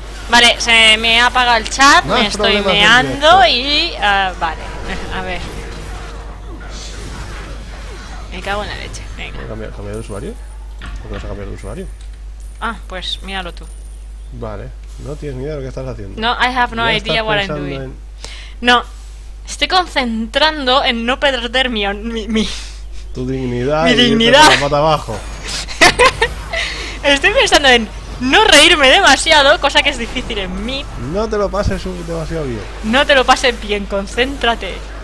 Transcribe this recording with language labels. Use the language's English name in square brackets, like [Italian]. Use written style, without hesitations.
[Spanish] Vale, se me ha apagado el chat, no, me estoy meando y... vale, a ver. Me cago en la leche, venga. ¿Has cambiado de usuario? ¿Por qué no has cambiado de usuario? Ah, pues míralo tú. Vale, no tienes ni idea de lo que estás haciendo. [English] No, I have no idea what I'm doing. [Spanish] No, estoy concentrando en no perder mi tu dignidad. Mi dignidad. La pata abajo. Estoy pensando en no reírme demasiado, cosa que es difícil en mí. No te lo pases demasiado bien. No te lo pases bien, concéntrate.